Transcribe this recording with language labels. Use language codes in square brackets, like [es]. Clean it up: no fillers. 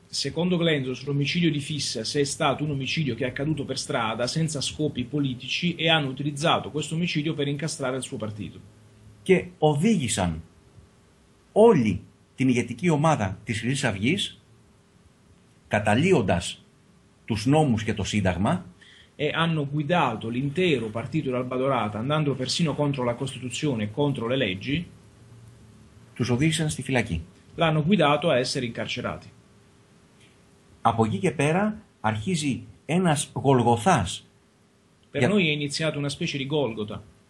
[it] Secondo Glenzos, l'omicidio di Fissas è stato un omicidio che è accaduto per strada senza scopi politici e hanno utilizzato questo omicidio per incastrare il suo partito. [el] Και οδήγησαν όλη την ηγετική ομάδα της Χρυσής Αυγής καταλύοντας τους νόμους και το Σύνταγμα. [it] E hanno guidato l'intero partito dell'Alba Dorata andando persino contro la Costituzione e contro le leggi. [el] Τους οδήγησαν στη φυλακή. [it] L'hanno guidato a essere incarcerati. [el] Από εκεί και πέρα αρχίζει ένας Γολγοθάς. [it] Per noi è iniziato una specie di Golgota.